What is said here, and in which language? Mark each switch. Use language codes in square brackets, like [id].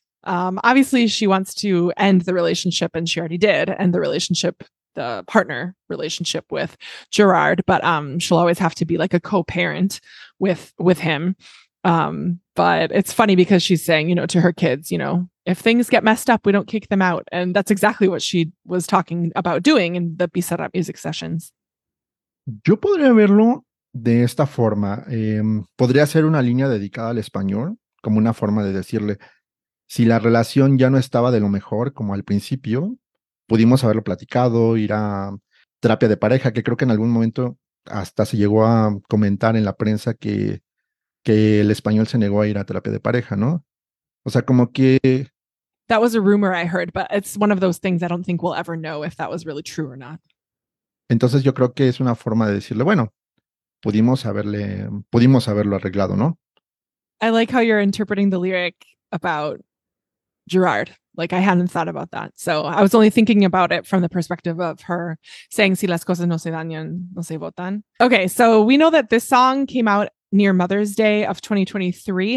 [en] Obviously, she wants to end the relationship and she already did end the relationship, the partner relationship with Gerard, but she'll always have to be like a co-parent with him. But it's funny because she's saying, you know, to her kids, you know, if things get messed up, we don't kick them out. And that's exactly what she was talking about doing in the Bizarrap Music Sessions. [es] Yo podría verlo de esta forma. Podría ser una línea dedicada al español, como una forma de decirle, si la relación ya no estaba de lo mejor como al principio, pudimos haberlo platicado, ir a terapia de pareja, que creo que en algún momento hasta se llegó a comentar en la prensa que el español se negó a ir a terapia de pareja, ¿no? O sea, como que... [en] That was a rumor I heard, but it's one of those things I don't think we'll ever know if that was really true or not. [es] Entonces yo creo que es una forma de decirle, bueno, pudimos haberlo arreglado, ¿no? [en] I like how you're interpreting the lyric about Gerard. Like, I hadn't thought about that. So I was only thinking about it from the perspective of her saying, [es] si las cosas no se dañan, no se botan. [en] Okay, so we know that this song came out near Mother's Day of 2023.